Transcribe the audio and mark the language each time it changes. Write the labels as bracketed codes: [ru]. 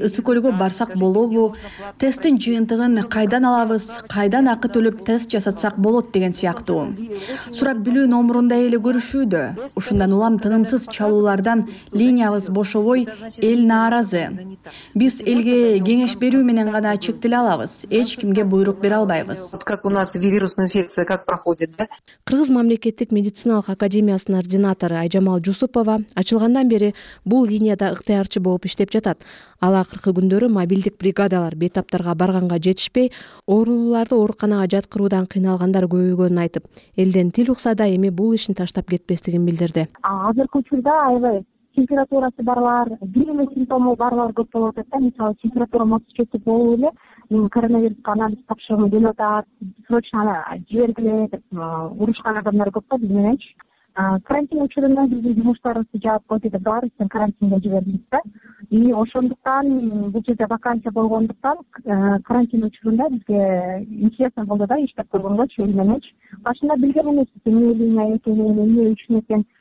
[ky] Ысык көлгө барсак болобу? Тесттин жыйынтыгын кайдан алабыз? Кайдан акы төлөп тест жасатсак болот деген сыяктуу. Сурап билүү номурунда эле көрүшүүдө. Ушундан улам тынымсыз чалуулардан линиябыз бошобой, эл нааразы. Биз элге кеңеш берүү менен гана чектеле алабыз. Эч кимге буйрук бере албайбыз. [ru] Как у нас вирусная инфекция как проходит, да? [ky] Кыргыз мамлекеттик медициналык академиясынын ординатору Айжамал Жусупова ачылгандан бери бул линияда ыктыярчы болуп иштеп жатат. Ал акыркы күндөрү мобилдик бригадалар бетаптарга барганга жетишпей, ооруларды ооруканага жаткыруудан кыйналгандар көбөйгөнүн айтып, элден тил укса да эми бул ишин таштап кетпестигин билдирди. Азыркы учурда аябай температурасы барлар, бир эле симптому барлар көп болуп атат да, мисалы температурам 37 болуп эле [kk] мен коронавирусқа анализ тапшырғым келіп отыр, срочно жібергіле деп ұрысқан адамдар көп па бізмененші. [ky] Карантин учурунда биздин жумуштарыбызды жаап койду деп баарыбыздын карантинге жибердик да. И ошондуктан бул жерде вакансия болгондуктан карантин учурунда бизге интересно болду да иштеп көргөнгөчү эл мененчи. Башында билген эмеспиз эмне линия экенин, эмне үчүн экен.